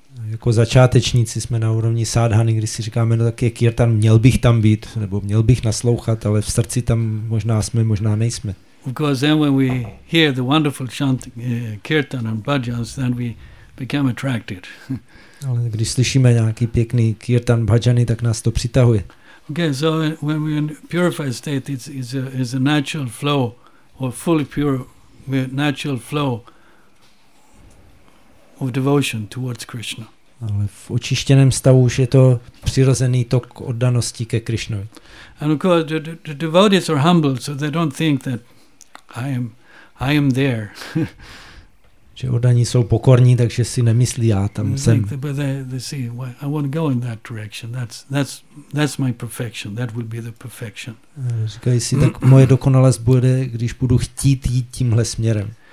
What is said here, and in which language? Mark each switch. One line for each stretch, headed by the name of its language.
Czech: Jako začátečníci jsme na úrovni sádhany, když si říkáme, no tak je kirtan, měl bych tam být, nebo měl bych naslouchat, ale v srdci tam možná jsme, možná nejsme.
English: Of course, then when we hear the wonderful chant, kirtan and bhajans, then we become attracted.
Czech: Ale když slyšíme nějaký pěkný kirtan bhajany, tak nás to přitahuje.
English: Okay, so when we're in purified state, it's a natural flow, or fully pure, natural flow of devotion towards Krishna.
Czech: Ale v očištěném stavu už je to přirozený tok oddanosti ke Krishnovi.
English: And of course, the devotees are humble, so they don't think that I am there.
Czech: Že oddaní jsou pokorní, takže si nemyslí, já tam jsem.
English: But they see, well, I want to go in that direction. That's my perfection. That will be the perfection.
Czech: Říkají si, tak moje dokonalost bude, když budu chtít jít tímhle směrem.